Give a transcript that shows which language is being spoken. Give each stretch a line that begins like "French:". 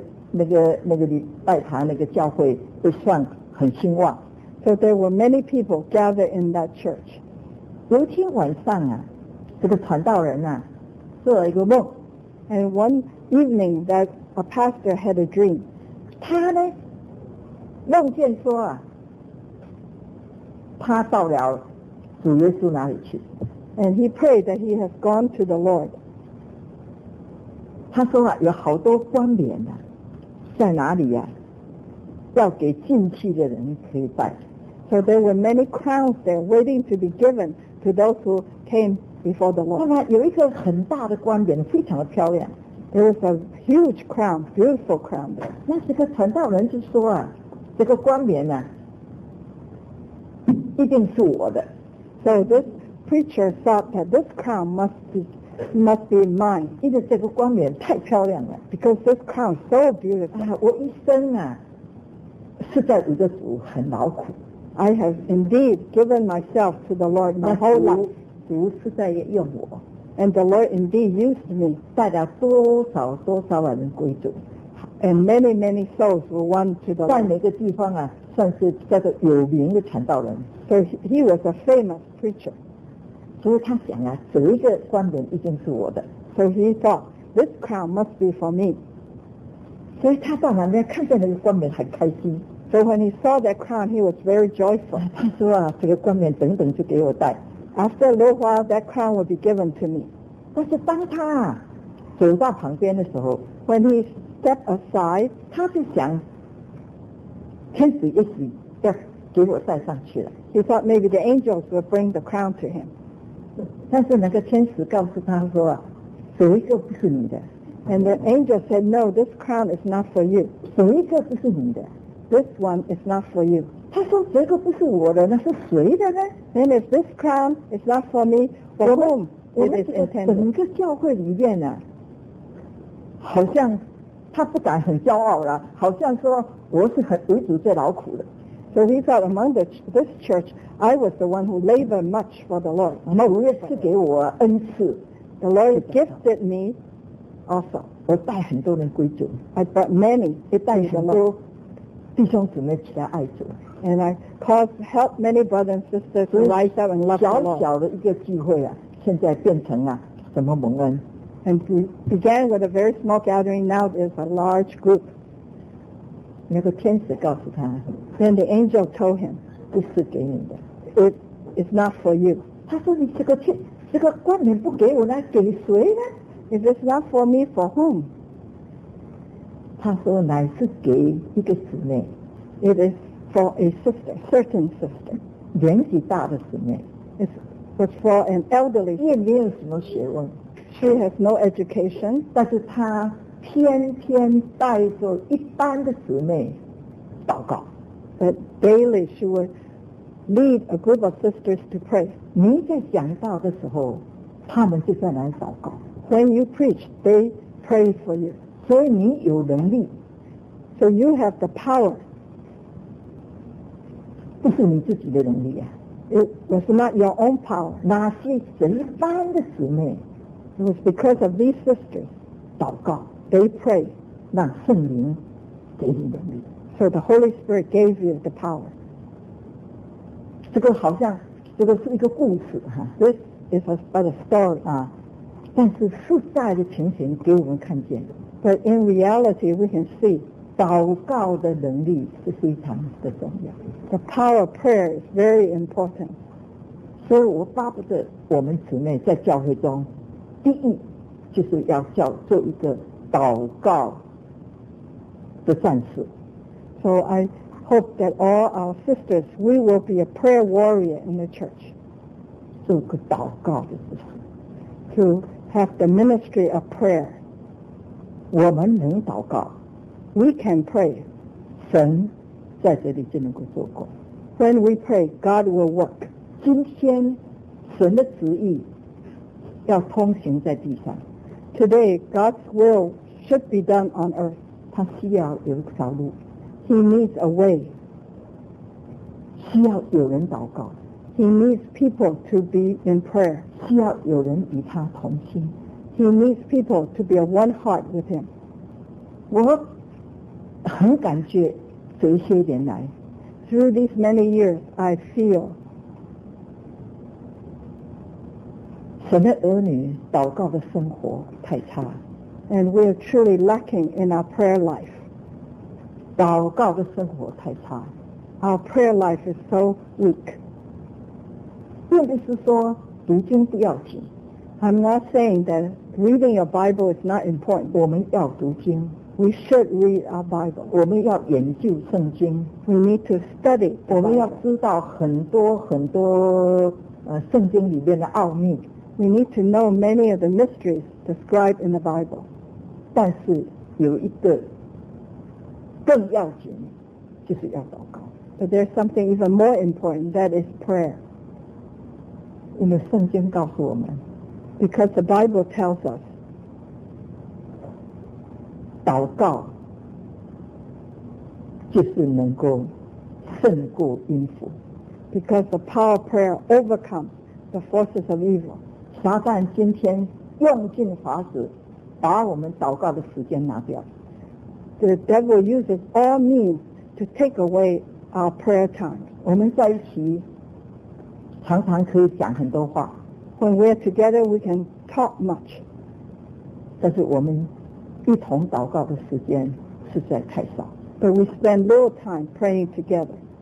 Chinese: 那个礼拜堂那个教会就算很兴旺。
English: So there were many people gathered in that church.
Chinese: 有一天晚上啊，这个传道人啊，做了一个梦。
English: And one evening that a pastor had a dream.
Chinese: 他呢，梦见说啊，他到了主耶稣哪里去。
English: And he prayed that he has gone to the Lord.
Chinese: 他说啊，有好多冠冕啊，在哪里啊，要给进去的人可以拜。
English: So there were many crowns there waiting to be given. To those who came before the Lord.
Chinese: 那么有一个很大的冠冕，非常的漂亮。
English: There was a huge crown, beautiful crown.
Chinese: 那这个传道人就说啊，这个冠冕呢、一定是我的。
English: So this preacher thought that this crown must be mine.
Chinese: 因为这个冠冕太漂亮了。
English: Because this crown is so beautiful.
Chinese: 啊，我一生啊，是在为着主很劳苦。
English: I have indeed given myself to the Lord my whole life.
Chinese: 主是在用我。
English: And the Lord indeed used me.
Chinese: 带了多少多少人归主。
English: And many, many souls were won to the Lord.
Chinese: 在每个地方啊，算是叫做有名的传道人。
English: So he was a famous preacher.
Chinese: 所以他想啊，这一个冠冕一定是我的。
English: So he thought, this crown must be for me.
Chinese: 所以他到那边看见那个冠冕很开心。
English: So when he saw that crown, he was very joyful.
Chinese: 他说啊，这个冠冕等等就给我戴。
English: After a little while, that crown will be given to me.
Chinese: 但是当他走到旁边的时候
English: ，when he stepped aside,
Chinese: 他就想，天使也许要给我戴上去了。
English: He thought maybe the angels will bring the crown to him.
Chinese: 但是那个天使告诉他说啊，这一个不是你的。
English: And the angel said, "No, this crown is not for you."
Chinese: 这一个不是你的。
English: This one is not for you.
Chinese: 他说这个不是我的，那是谁的呢？
English: And if this crown is not for me, for whom it is intended?
Chinese: 整个教会里面呢、啊、好像他不敢很骄傲了，好像说我是很为主最劳苦的。
English: So he thought among the, this church, I was the one who labored much for the Lord.
Chinese: 某一次给我恩赐。
English: The Lord gifted me also.
Chinese: 我带很多人归主。
English: I brought many.
Chinese: 也带很多弟兄姊妹起来爱主。
English: And I caused, helped many brothers and sisters to rise up and love the Lord.
Chinese: 小小的一个聚会啊，现在变成啊，什么蒙恩。
English: And we began with a very small gathering, now there's a large group.
Chinese: 那个天使告诉他。
English: Then the angel told him,
Chinese: 不是给你的。
English: It is not for you.
Chinese: 他说你这个天，这个冠冕不给我，那给谁呢？
English: If it's not for me, for whom?
Chinese: 他说乃是给一个姊妹。
English: It is for a sister, certain sister.
Chinese: 年纪大的姊妹。
English: It was for an elderly sister.
Chinese: 因为没有什么学问。
English: She has no education,
Chinese: 但是她天天带着一般的姊妹祷告。
English: But daily she would lead a group of sisters to pray.
Chinese: 你在讲道的时候，他们就在那里祷告。
English: When you preach, they pray for you.
Chinese: 所以你有能力。
English: So you have the power.
Chinese: 不是你自己的能力啊。
English: It was not your own power.
Chinese: 那是神一般的姊妹。
English: It was because of these sisters,
Chinese: 祷告,
English: they pray,
Chinese: 让圣灵给你能力。
English: So the Holy Spirit gave you the power.
Chinese: 这个好像这个是一个故事哈。
English: This is a, but a story.
Chinese: 啊，但是实在的情形给我们看见。
English: But in reality, we can see,
Chinese: 祷告的能力是非常的重要。
English: The power of prayer is very important.
Chinese: 所以我巴不得我们姊妹在教会中。第一就是要叫做一个祷告的战士。
English: So I hope that all our sisters, we will be a prayer warrior in the church.
Chinese: 做个祷告的事。
English: To have the ministry of prayer.
Chinese: 我们能祷告。
English: We can pray.
Chinese: 神在这里就能够做工。
English: When we pray, God will work.
Chinese: 今天神的旨意要通行在地上。
English: Today, God's will should be done on earth.
Chinese: 他需要有一条路。
English: He needs a way.
Chinese: 需要有人祷告。
English: He needs people to be in prayer.
Chinese: 需要有人与他同心。
English: He needs people to be a one heart with him.
Chinese: 我很感觉这些年来。
English: Through these many years, I feel
Chinese: 神的儿女祷告的生活太差。
English: And we are truly lacking in our prayer life.
Chinese: 祷告的生活太差。
English: Our prayer life is so weak.
Chinese: 并不是说读经不要紧。
English: I'm not saying that reading your Bible is not important.
Chinese: 我们要读经。
English: We should read our Bible.
Chinese: 我们要研究圣经。
English: We need to study.
Chinese: 我们要知道很多很多圣经里面的奥秘。
English: We need to know many of the mysteries described in the Bible.
Chinese: 但是有一个更要紧，就是要祷告。
English: But there's something even more important, that is prayer.
Chinese: 因为圣经告诉我们。
English: Because the Bible tells us,
Chinese: 祷告就是能够胜过阴符。
English: Because the power of prayer overcomes the forces of evil.
Chinese: 撒旦今天用尽法子把我们祷告的时间拿掉。
English: The devil uses all means to take away our prayer time.
Chinese: 我们在一起常常可以讲很多话。
English: When we're together, we can talk much.
Chinese: 但是我们一同祷告的时间实在太少。
English: But we spend little time praying together.